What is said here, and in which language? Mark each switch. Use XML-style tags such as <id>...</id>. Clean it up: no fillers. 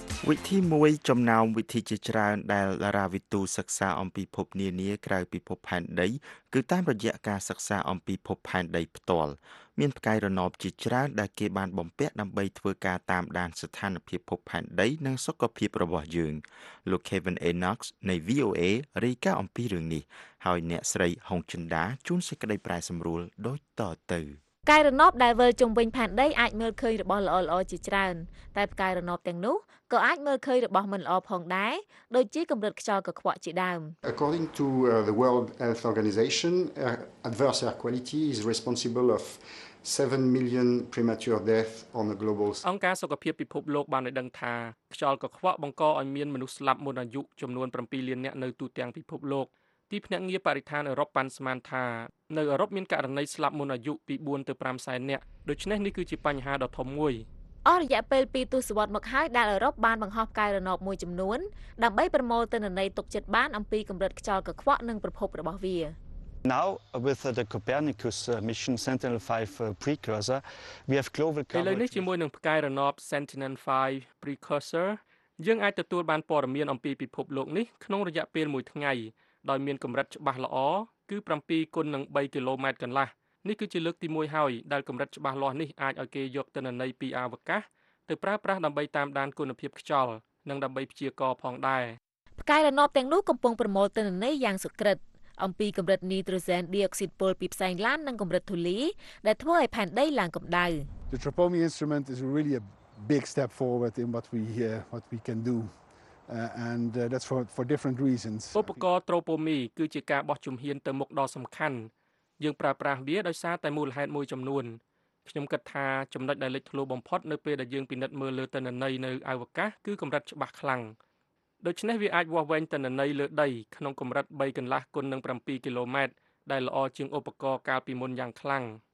<km>វិធី1ចំណោមវិធីជាច្រើនដែលតារាវិទូសិក្សាអំពីភពនានាក្រៅពីភពផែនដីគឺតាមរយៈការសិក្សាអំពីភពផែនដីផ្ទាល់មានផ្កាយរណបជាច្រើនដែលគេបានបំពាក់ដើម្បីធ្វើការតាមដានស្ថានភាពភពផែនដីនិងសុខភាពរបស់យើងលោក Kevin Enox នៃ VOA រាយការណ៍អំពីរឿងនេះហើយអ្នកស្រីហុងចិនដាជួនសេចក្តីប្រែសម្រួលដូចតទៅ ផ្កាយរណបដែលវិលជុំវិញផែនដីអាចមើលឃើញរបស់ល្អល្អជាច្រើនតែផ្កាយរណបទាំងនោះក៏អាចមើលឃើញរបស់មិនល្អផងដែរដូចជាកម្រិតខ្យល់កខ្វក់ជាដើម</km> <en>According to the World Health Organization adverse air quality is responsible of 7 million premature deaths on a global scale</en> <km>អង្គការសុខភាពពិភពលោកបានឲ្យដឹងថាខ្យល់កខ្វក់បង្កឲ្យមានមនុស្សស្លាប់មុនអាយុចំនួន7លាននាក់នៅទូទាំងពិភពលោកទីភ្នាក់ងារបរិស្ថានអឺរ៉ុបបានស្មានថានៅអឺរ៉ុបមានករណីស្លាប់មុនអាយុពី4ទៅ5សែននាក់ដូច្នេះនេះគឺជាបញ្ហាដ៏ធំមួយ អស់រយៈពេល2ទសវត្សរ៍មកហើយដែលអឺរ៉ុបបានបង្ហោះផ្កាយរណបមួយចំនួនដើម្បីប្រមូលទិន្នន័យទុកចិត្តបានអំពីកម្រិតខ្យល់កខ្វក់និងប្រភពរបស់វា</km> <en>Now with the Copernicus mission Sentinel 5 precursor we have global coverage</en> <km>ពេលនេះជាមួយនឹងផ្កាយរណប Sentinel 5 precursor យើងអាចទទួលបានព័ត៌មានអំពីពិភពលោកនេះក្នុងរយៈពេល1ថ្ងៃដោយមានកម្រិតច្បាស់ល្អគឺ7គុណនឹង3គីឡូម៉ែត្រកន្លះនេះគឺជាលើកទី1ហើយដែលកម្រិតច្បាស់លាស់នេះអាចឲ្យគេយកទិន្នន័យពីអវកាសទៅប្រើប្រាស់ដើម្បីតាមដានគុណភាពខ្យល់និងដើម្បីព្យាករណ៍ផងដែរ ផ្កាយរណបទាំងនោះកំពុងប្រមូលទិន្នន័យយ៉ាងសុក្រិតអំពីកម្រិតនីត្រូសែនឌីអុកស៊ីតពុលពីផ្សែងឡាននិងកម្រិតធូលីដែលធ្វើឲ្យផែនដីឡើងកម្ដៅ</km> <en>The Tropomy instrument is really a big step forward in what we can do and that's for different reasons</en> <km>ឧបករណ៍ Tropomy គឺជាការបោះជំហានទៅមុខដ៏សំខាន់យើងប្រើប្រាស់វាដោយសារតែមូលហេតុមួយចំនួនខ្ញុំគិតថាចំណុចដែលលេចធ្លោបំផុតនៅពេលដែលយើងពិនិត្យមើលលើទិន្នន័យនៅអវកាសគឺកម្រិតច្បាស់ខ្លាំងដូច្នេះវាអាចវាស់វែងទិន្នន័យលើដីក្នុងកម្រិត3កន្លះគុណនឹង7គីឡូម៉ែត្រដែលល្អជាងឧបករណ៍កាលពីមុនយ៉ាងខ្លាំង</km>